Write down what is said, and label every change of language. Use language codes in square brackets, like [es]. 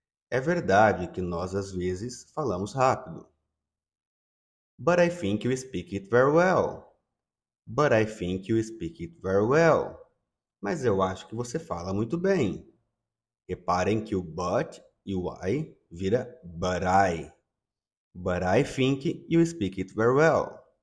[pt] É verdade que nós às vezes falamos rápido. [en] But I think you speak it very well. But I think you speak it very well. [pt] Mas eu acho que você fala muito bem. Reparem que o but e o I vira but I. [en] But I think you speak it very well.